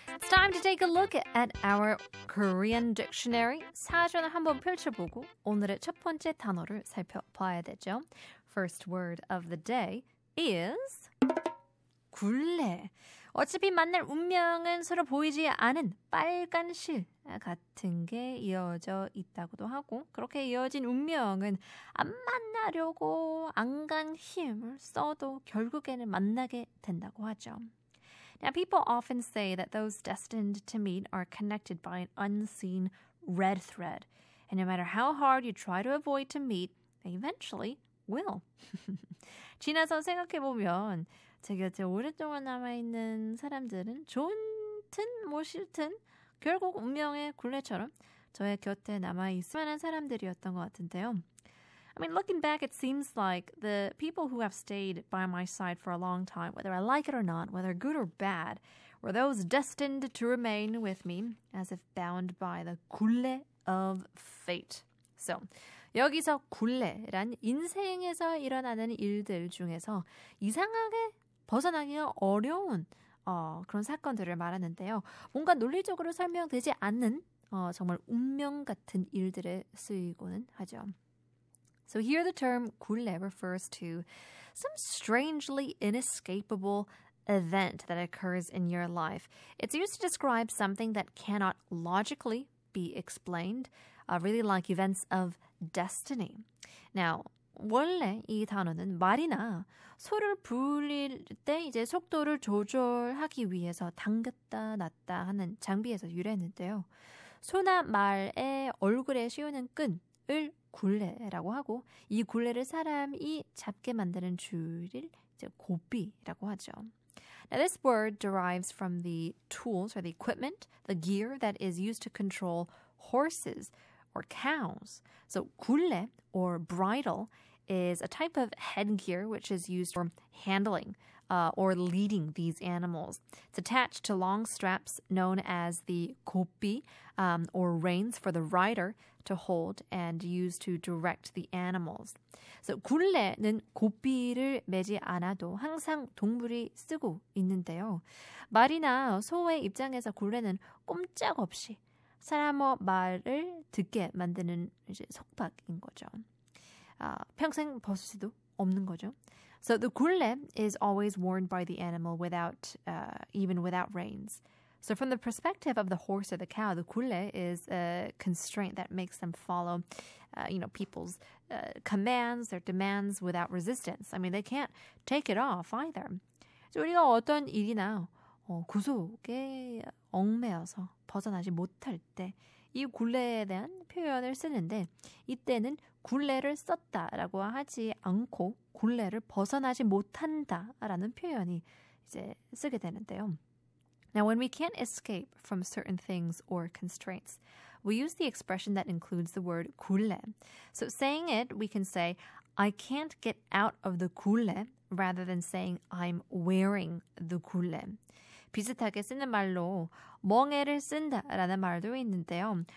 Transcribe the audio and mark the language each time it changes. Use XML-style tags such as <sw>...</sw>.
<en>time to take a look at our Korean dictionary.</en> <ko>사전을 한번 펼쳐보고 오늘의 첫 번째 단어를 살펴봐야 되죠.</ko> <en>First word of the day is 굴레.</en> <ko>어차피 만날 운명은 서로 보이지 않은 빨간 실 같은 게 이어져 있다고도 하고 그렇게 이어진 운명은 안 만나려고 안간 힘을 써도 결국에는 만나게 된다고 하죠.</ko> <en>Now, people often say that those destined to meet are connected by an unseen red thread. And no matter how hard you try to avoid to meet, they eventually will.</en> <ko>지나서 생각해보면 제 곁에 오랫동안 남아있는 사람들은 좋든 뭐 싫든 결국 운명의 굴레처럼 저의 곁에 남아있을 만한 사람들이었던 것 같은데요.</ko> <en>I mean, looking back, it seems like the people who have stayed by my side for a long time, whether I like it or not, whether good or bad, were those destined to remain with me as if bound by the 굴레 of fate.</en> <ko>So, 여기서 굴레란 인생에서 일어나는 일들 중에서 이상하게 벗어나기가 어려운 그런 사건들을 말하는데요. 뭔가 논리적으로 설명되지 않는 정말 운명 같은 일들에 쓰이고는 하죠.</ko> <en>So here the term 굴레 refers to some strangely inescapable event that occurs in your life. It's used to describe something that cannot logically be explained, really like events of destiny. Now,</en> <ko>원래 이 단어는 말이나 소를 불릴 때 이제 속도를 조절하기 위해서 당겼다 놨다 하는 장비에서 유래했는데요. 소나 말의 얼굴에 씌우는 끈을 굴레라고 하고 이 굴레를 사람이 잡게 만드는 줄을 이제 고삐라고 하죠.</ko> <en>Now this word derives from the tools or the equipment, the gear that is used to control horses or cows. So 굴레 or bridle is a type of headgear which is used for handling or leading these animals. It's attached to long straps known as the 고삐 or reins for the rider to hold and use to direct the animals.</en> <ko>So 굴레는 고삐를 매지 않아도 항상 동물이 쓰고 있는데요. 말이나 소의 입장에서 굴레는 꼼짝없이 사람의 말을 듣게 만드는 이제 속박인 거죠. 평생 벗을 수도 없는 거죠.</ko> <en>So the 굴레 is always worn by the animal without, even without reins. So from the perspective of the horse or the cow, the 굴레 is a constraint that makes them follow, you know, people's commands, their demands without resistance. I mean, they can't take it off either.</en> <ko>우리가 어떤 일이나 구속에 얽매여서 벗어나지 못할 때 이 굴레에 대한 표현을 쓰는데 이때는 굴레를 썼다라고 하지 않고 굴레를 벗어나지 못한다라는 표현이 이제 쓰게 되는데요.</ko> <en>Now when we can't escape from certain things or constraints, we use the expression that includes the word 굴레. So saying it, we can say I can't get out of the 굴레 rather than saying I'm wearing the 굴레.</en> <ko>비슷하게 쓰는 말로 멍에를 쓴다라는 말도 있는데요.</ko>